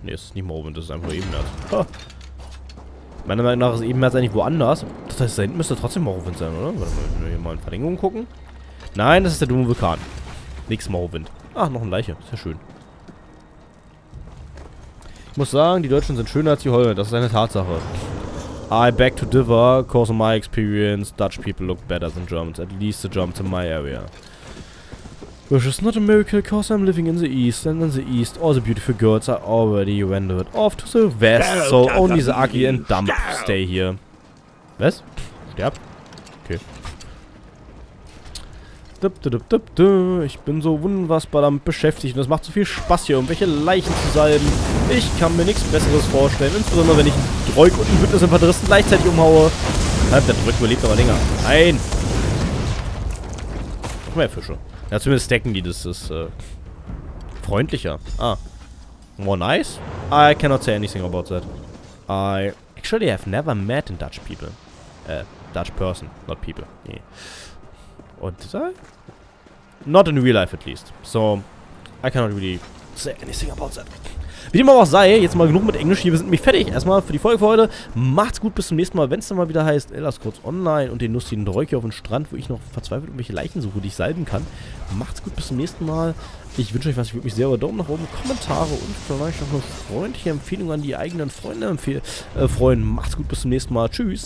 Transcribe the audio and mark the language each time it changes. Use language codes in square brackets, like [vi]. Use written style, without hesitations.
[de] Nee, es ist nicht Morrowind, das ist einfach eben das. Meiner Meinung nach ist eben jetzt eigentlich woanders. Das heißt, da hinten müsste trotzdem Morrowind sein, oder? Warte mal, wir hier mal in Verlängerung gucken. Nein, das ist der dumme Vulkan. Nix Morrowind. Ah, noch ein Leiche. Ist ja schön. Ich muss sagen, die Deutschen sind schöner als die Holländer. Das ist eine Tatsache. [en] I beg to differ, cause in my experience, Dutch people look better than Germans. At least the Germans in my area. Which is not a miracle, cause I'm living in the east, and in the east all the beautiful girls are already wandered off to the west, so only the ugly and dumb stay here. [de] Was? Sterb? Okay. Dup, dup, dup, dup, dup. Ich bin so unfassbar damit beschäftigt und es macht so viel Spaß hier, um welche Leichen zu salben. Ich kann mir nichts Besseres vorstellen, insbesondere wenn ich einen Droik und einen Bündnisinfanteristen gleichzeitig umhaue. Der Droik überlebt aber länger. Nein! Noch mehr Fische. Ja, zumindest stacken die, das ist freundlicher. Ah. [en] More nice? I cannot say anything about that. I Actually, I have never met a Dutch people. Dutch person, not people. [de] Nee. [en] Or did I? Not in real life at least. So, I cannot really say anything about that. [de] Wie dem auch sei, jetzt mal genug mit Englisch. Hier, wir sind nämlich fertig. Erstmal für die Folge für heute. Macht's gut, bis zum nächsten Mal, wenn es dann mal wieder heißt, lass kurz online und den lustigen Dräuch hier auf dem Strand, wo ich noch verzweifelt irgendwelche Leichen suche, die ich salben kann. Macht's gut, bis zum nächsten Mal. Ich wünsche euch was, ich würde mich sehr über Daumen nach oben, Kommentare und vielleicht auch eine freundliche Empfehlung an die eigenen Freunde freuen. Macht's gut, bis zum nächsten Mal. Tschüss.